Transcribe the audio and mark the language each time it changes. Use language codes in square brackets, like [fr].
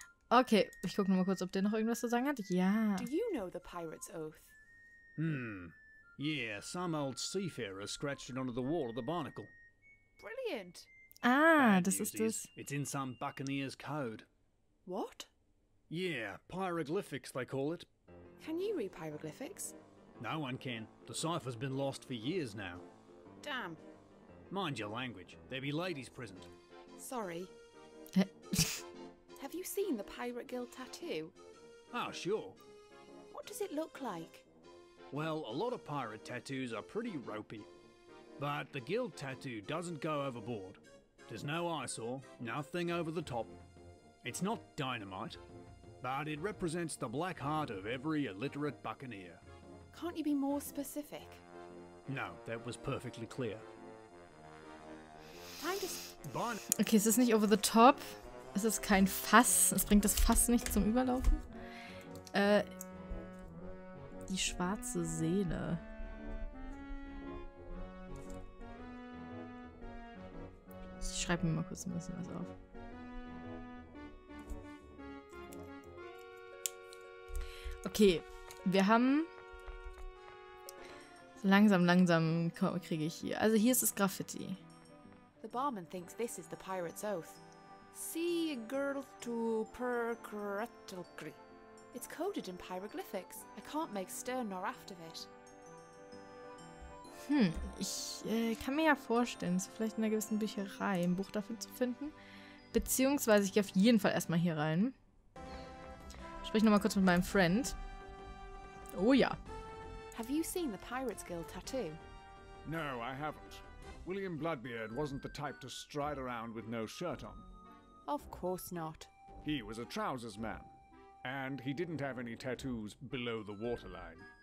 [de] Okay, ich gucke nochmal kurz, ob der noch irgendwas zu sagen hat. Ja. [en] Do you know the pirate's oath? Yeah, some old seafarer scratched it under the wall of the barnacle. Brilliant. [de] Ah, das ist das. [en] It's in some buccaneer's code. What? Yeah, pyroglyphics, they call it. Can you read pyroglyphics? No one can. The cipher's been lost for years now. Damn. Mind your language. There be ladies present. Sorry. Have you seen the Pirate Guild tattoo? Oh, sure. What does it look like? Well, a lot of pirate tattoos are pretty ropey. But the guild tattoo doesn't go overboard. There's no eyesore, nothing over the top. It's not dynamite, but it represents the black heart of every illiterate buccaneer. Can't you be more specific? No, that was perfectly clear. [de] Okay, es ist nicht [en] over the top. [de] Es ist kein Fass. Es bringt das Fass nicht zum Überlaufen. Die schwarze Seele. Ich schreibe mir mal kurz ein bisschen was auf. Okay, wir haben... Langsam kriege ich hier. Also hier ist das Graffiti. [en] The barman thinks this is the pirate's oath. See a girl to percretalkri. It's coded in pyroglyphics. I can't make stern nor aft of it. [de] Ich kann mir ja vorstellen, es vielleicht in einer gewissen Bücherei ein Buch dafür zu finden. Beziehungsweise ich gehe auf jeden Fall erstmal hier rein. Sprich nochmal kurz mit meinem Friend. Oh ja. [en] Have you seen the Pirate's Guild tattoo? No, I haven't. William Bloodbeard wasn't the type to stride around with no shirt on. Of course not. He was a trousers man. And he didn't have any tattoos below the waterline.